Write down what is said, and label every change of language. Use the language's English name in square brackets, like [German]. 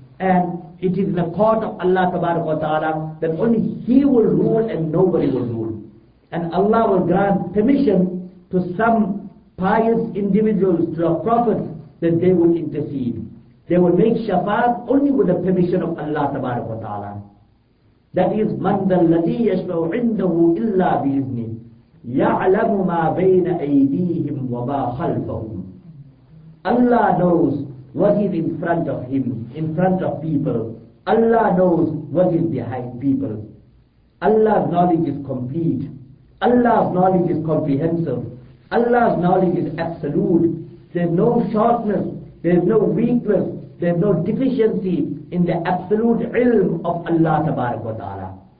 [English] And it is in the court of Allah Tabarak wa Ta'ala that only He will rule and nobody will rule. And Allah will grant permission to some pious individuals, to the prophets, that they will intercede. They will make shafaat only with the permission of Allah Tabarak wa Ta'ala. That is, [Arabic] مَنْ ذَا الَّذِي يَشْفَعُ عِنْدَهُ إِلَّا بِإِذْنِهِ يَعْلَمُ مَا بَيْنَ أَيْدِيهِمْ وَمَا خَلْفَهُمْ. [English] Allah knows what is in front of Him, in front of people. Allah knows what is behind people. Allah's knowledge is complete. Allah's knowledge is comprehensive. Allah's knowledge is absolute. There's no shortness, there's no weakness, there's no deficiency in the absolute ilm of Allah Tabarak wa Ta'ala.